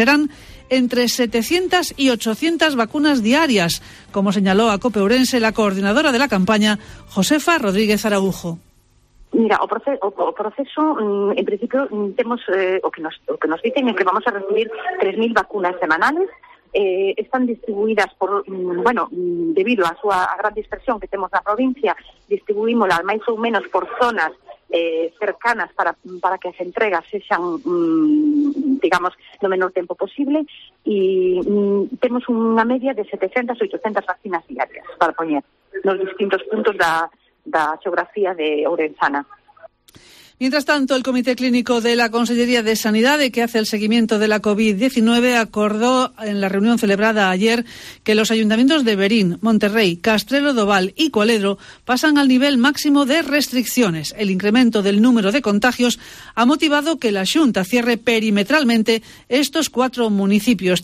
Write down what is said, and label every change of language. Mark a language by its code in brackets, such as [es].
[es] Serán entre 700 y 800 vacunas diarias, como señaló a COPE Ourense la coordinadora de la campaña, Josefa Rodríguez Araújo. Mira, [gl] o proceso, [es] en principio, [gl] temos [es] o que nos dicen es que vamos a recibir 3.000 vacunas semanales. [gl] Están distribuídas por, debido a súa gran dispersión que temos na provincia, distribuímola máis ou menos por zonas cercanas para que as entregas sexan, digamos, no menor tempo posible, e temos unha media de 700 a 800 vacinas diarias para poñer nos distintos puntos da xeografía de Ourensana. [es] Mientras tanto, el Comité Clínico de la Consellería de Sanidad, que hace el seguimiento de la COVID-19, acordó en la reunión celebrada ayer que los ayuntamientos de Berín, Monterrey, Castrelo Doval y Coaledro pasan al nivel máximo de restricciones. El incremento del número de contagios ha motivado que la Xunta cierre perimetralmente estos cuatro municipios.